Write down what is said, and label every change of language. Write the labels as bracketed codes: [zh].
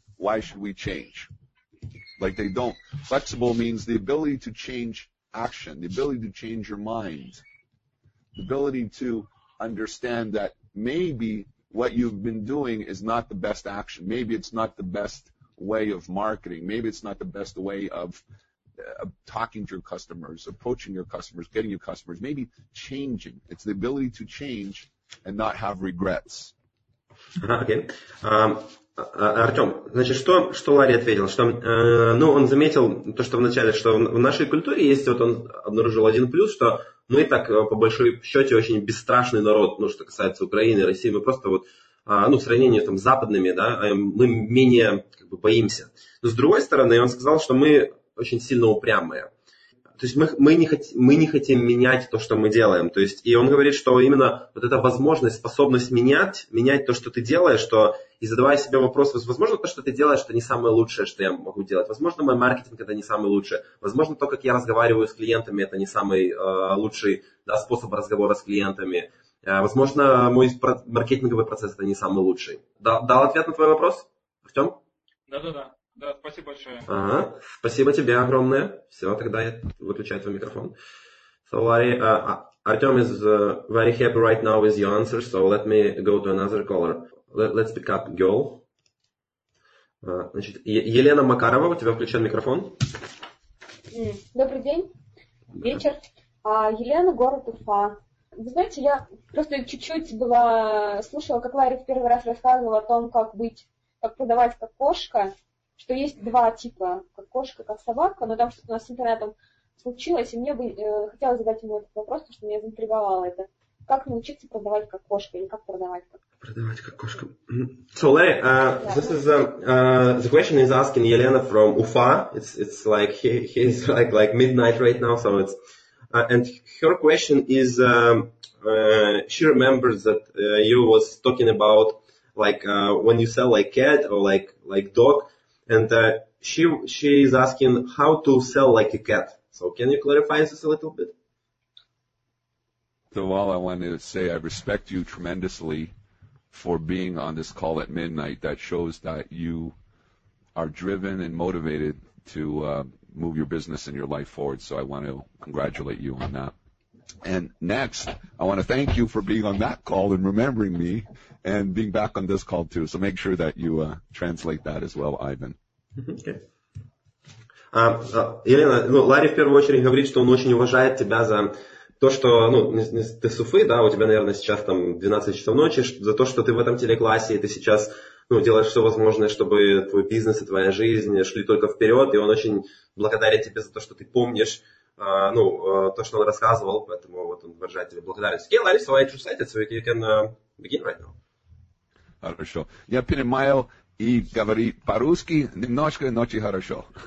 [en] Why should we change? Like they don't. Flexible means the ability to change action, the ability to change your mind, the ability to understand that maybe what you've been doing is not the best action. Maybe it's not the best way of marketing. Maybe it's not the best way of talking to your customers, approaching your customers, getting your customers, maybe changing. It's the ability to change and not have regrets. Okay. [ru] Артем, значит, что Ларри ответил? Что, ну, он заметил то, что вначале, что в нашей культуре есть, вот он обнаружил один плюс, что мы так, по большой счете, очень бесстрашный народ, ну, что касается Украины, России, мы просто вот, ну, в сравнении там с западными, да, мы менее как бы боимся. Но с другой стороны, он сказал, что мы очень сильно упрямые. То есть мы не хотим менять то, что мы делаем. То есть, и он говорит, что именно вот эта возможность, способность менять то, что ты делаешь, что и задавая себе вопрос, возможно, то, что ты делаешь, это не самое лучшее, что я могу делать. Возможно, мой маркетинг – это не самое лучшее. Возможно, то, как я разговариваю с клиентами – это не самый лучший, да, способ разговора с клиентами. Возможно, мой маркетинговый процесс – это не самый лучший. Дал ответ на твой вопрос, Артем? Да. Да, спасибо большое. Ага, спасибо тебе огромное. Все, тогда я выключаю твой микрофон. [en] So, Larry, Artem is very happy right now with your answer, so let me go to another caller. Let's pick up girl. [ru] Значит, Елена Макарова, у тебя включен микрофон. Добрый день, вечер. Елена, город Уфа. Вы знаете, я просто чуть-чуть была, слушала, как Ларри в первый раз рассказывал о том, как быть, как продавать как кошка. Что есть два типа, как кошка, как собака, но там что-то у нас с интернетом случилось, и мне бы хотелось задать ему этот вопрос, потому что меня заинтриговало это. Как научиться продавать как кошка, или как продавать как кошка? Продавать как кошка. [en] So, Larry, this is the question is asking Елена from Уфа. It's like he's like midnight right now, so it's... And her question is, she remembers that you was talking about, like, when you sell like cat or like dog, and she is asking how to sell like a cat. So can you clarify this a little bit? So all I want to say, I respect you tremendously for being on this call at midnight. That shows that you are driven and motivated to move your business and your life forward. So I want to congratulate you on that. And next, I want to thank you for being on that call and remembering me and being back on this call too. So make sure that you translate that as well, Ivan. Okay. [ru] Елена, ну, Ларри в первую очередь говорит, что он очень уважает тебя за то, что, ну, ты с Уфы, да, у тебя, наверное, сейчас там 12 часов ночи, за то, что ты в этом телеклассе, и ты сейчас, ну, делаешь все возможное, чтобы твой бизнес и твоя жизнь шли только вперед, и он очень благодарит тебе за то, что ты помнишь ну, то, что он рассказывал, поэтому вот он выражает тебе благодарность. [en] Yeah, Larissa, why don't you say that, so you can begin right now. [ru] Хорошо. Я понимаю и говори по-русски немножко, но очень хорошо.